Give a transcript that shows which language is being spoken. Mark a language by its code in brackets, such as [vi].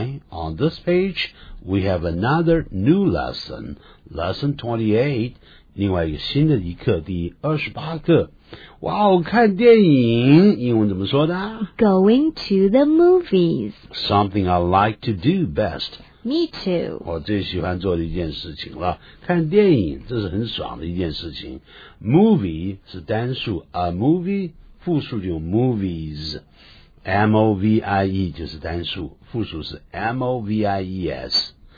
[en] On this page we have another new lesson, lesson 28, [zh] 另外一个新的一课，第28课。哇哦，看电影，英文怎么说的？ [en] Going to the movies. Something I like to do best. Me too. [zh] 我最喜欢做的一件事情了，看电影，这是很爽的一件事情。 Movie 是单数， a movie 复数就 movies， M-O-V-I-E 就是单数，复数是 M-O-V-I-E-S。